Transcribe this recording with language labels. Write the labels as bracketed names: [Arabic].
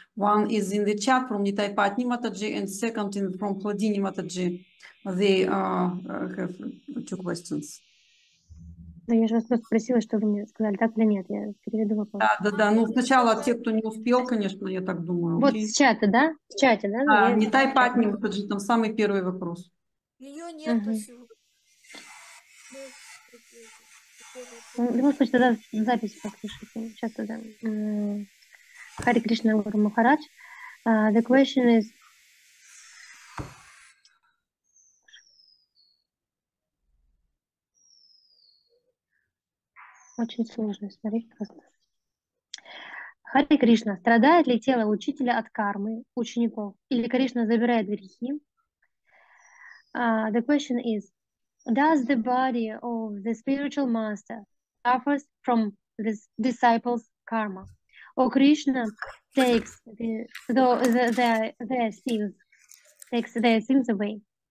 [English] One is in the chat from Nitai Patni Mataji and second in from Pladini Mataji. They have two questions. [Russian] Я же вас просто спросила, что вы мне сказали, так или нет, я переведу вопрос. Да, ну сначала те, кто не успел, конечно, я так думаю. Вот в чате, да? В чате, да? А, Нитай Патни Мataji, там самый первый вопрос. Ее нету сегодня. Может быть, тогда запись послушайте. Сейчас тогда. Хари Кришна Гуру Махарадж. [English] The question is... [Russian] Очень сложно, смотри, просто. Хари Кришна, страдает ли тело учителя от кармы учеников? Или Кришна забирает грехи? [English] The question is... Does the body of the spiritual master suffers from this disciple's karma. O Krishna takes their sins away.